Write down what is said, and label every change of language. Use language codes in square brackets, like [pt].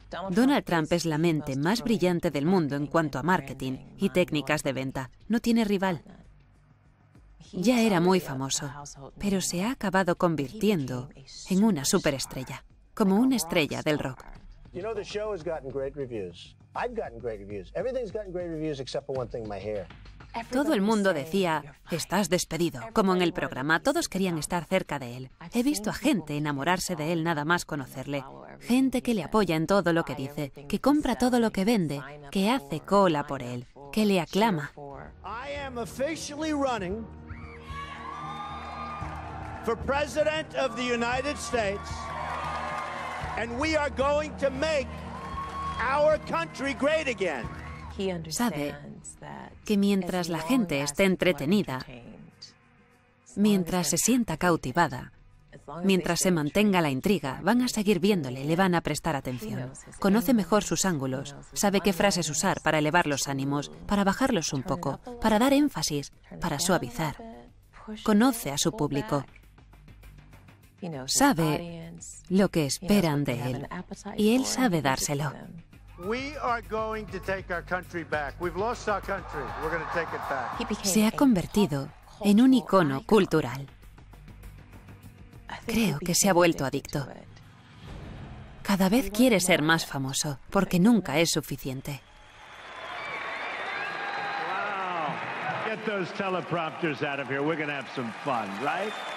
[es] Donald Trump es la mente más brillante del mundo en cuanto a marketing y técnicas de venta. No tiene rival. Ya era muy famoso, pero se ha acabado convirtiendo en una superestrella, como una estrella del rock. [en] You know, the show has gotten great reviews. I've gotten great reviews. Everything's gotten great reviews except for one thing, my hair. [es] Todo el mundo decía, estás despedido, como en el programa, todos querían estar cerca de él. He visto a gente enamorarse de él nada más conocerle. Gente que le apoya en todo lo que dice, que compra todo lo que vende, que hace cola por él, que le aclama. [en] I am officially running for president of the United States, and we are going to make our country great again. [es] Sabe que mientras la gente esté entretenida, mientras se sienta cautivada, mientras se mantenga la intriga, van a seguir viéndole, le van a prestar atención. Conoce mejor sus ángulos, sabe qué frases usar para elevar los ánimos, para bajarlos un poco, para dar énfasis, para suavizar. Conoce a su público. Sabe lo que esperan de él y él sabe dárselo. [en] We are going to take our country back. We've lost our country. We're going to take it back. [es] Se ha convertido en un icono cultural. Creo que se ha vuelto adicto. Cada vez quiere ser más famoso, porque nunca es suficiente. [en] Wow. Get those teleprompters out of here. We're going to have some fun, right?